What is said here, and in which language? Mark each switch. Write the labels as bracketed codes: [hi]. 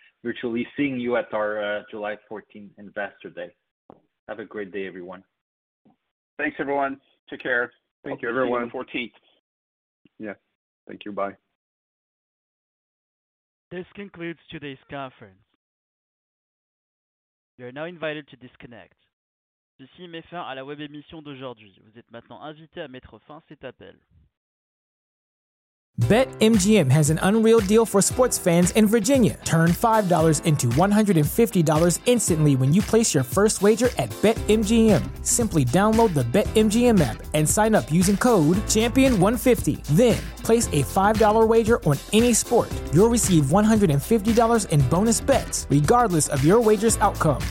[en] virtually seeing you at our July 14 Investor Day. Have a great day, everyone. Thanks, everyone. Take care. Thank you, everyone. See you on the 14th. Yeah. Thank you. Bye. This concludes today's conference. You are now invited to disconnect. [fr] Ceci met fin à la web émission d'aujourd'hui. Vous êtes maintenant invité à mettre fin à cet appel. [en] BetMGM has an unreal deal for sports fans in Virginia. Turn $5 into $150 instantly when you place your first wager at BetMGM. Simply download the BetMGM app and sign up using code Champion150. Then, place a $5 wager on any sport. You'll receive $150 in bonus bets, regardless of your wager's outcome.